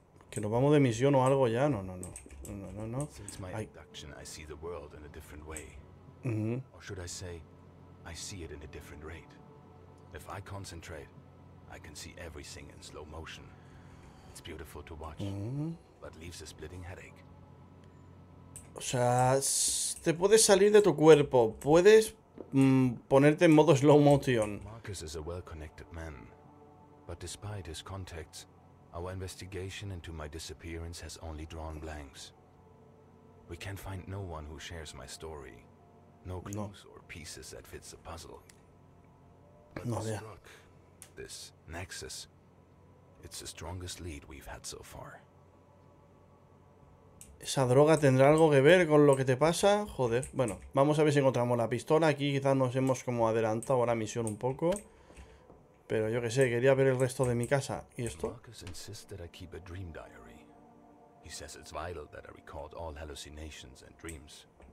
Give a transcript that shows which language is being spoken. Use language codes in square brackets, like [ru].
[es] ¿Que nos vamos de misión o algo ya? No, no, no. No, no, no. O sea, te puedes salir de tu cuerpo. Puedes ponerte en modo slow motion. [en] Marcus is a well-connected man, but despite his contacts, our investigation into my disappearance has only drawn blanks. We can't find no one who shares my story. No clues or pieces that fits the puzzle. No, yeah. Rock, this nexus, it's the strongest lead we've had so far. [es] ¿Esa droga tendrá algo que ver con lo que te pasa? Joder, bueno, vamos a ver si encontramos la pistola. Aquí quizás nos hemos como adelantado a la misión un poco. Pero yo qué sé, quería ver el resto de mi casa. ¿Y esto? Marcus insiste en que tenga un [en] dream diary. He says it's vital that I record all hallucinations and dreams.